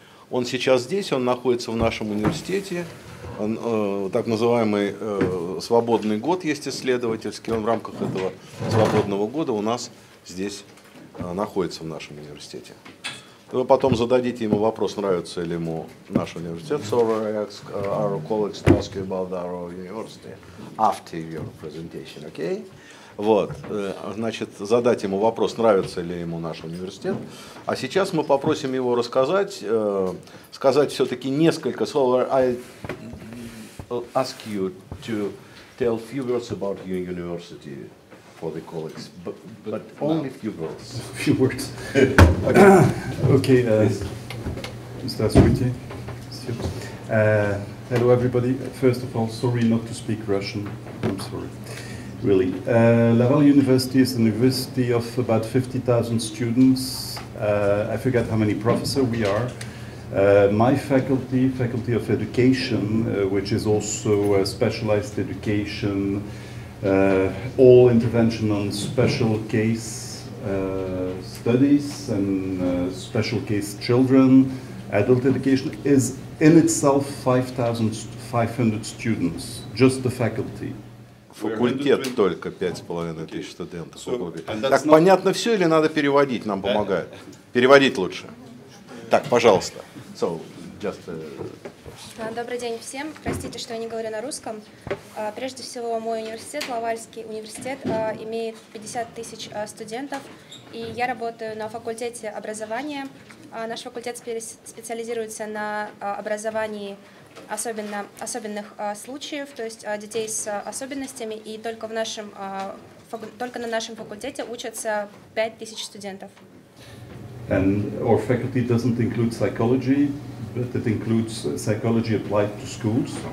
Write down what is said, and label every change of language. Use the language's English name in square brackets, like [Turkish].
[Russian] Он сейчас здесь, он находится в нашем университете. Так называемый свободный год есть исследовательский, он в рамках этого свободного года у нас здесь находится в нашем университете. Вы потом зададите ему вопрос, нравится ли ему наш университет. [English] So I ask our colleagues to ask you about our university after your presentation, okay? [Russian] Вот, значит, задать ему вопрос, нравится ли ему наш университет. А сейчас мы попросим его рассказать, сказать все-таки несколько слов. [English] I ask you to tell few words about your university for the colleagues, but only few words. Few words. Okay. [Russian] Здравствуйте. [English] Hello, everybody. First of all, sorry not to speak Russian. I'm sorry. Really. Laval University is a university of about 50,000 students. I forget how many professors we are. My faculty, Faculty of Education, which is also a specialized education, all intervention on special case studies and special case children, adult education, is in itself 5,500 students, just the faculty. [Russian] Факультет только 5,500 студентов. Так понятно все или надо переводить? Нам помогают. Переводить лучше. Так, пожалуйста. [English] So, just, [Russian] Добрый день всем. Простите, что я не говорю на русском. Прежде всего, мой университет, Лавальский университет, имеет 50 тысяч студентов. И я работаю на факультете образования. Наш факультет специализируется на образовании особенных случаев, то есть детей с особенностями, и только в нашем только на нашем факультете учатся 5000 студентов. [English] And our faculty doesn't include psychology, but it includes psychology applied to schools.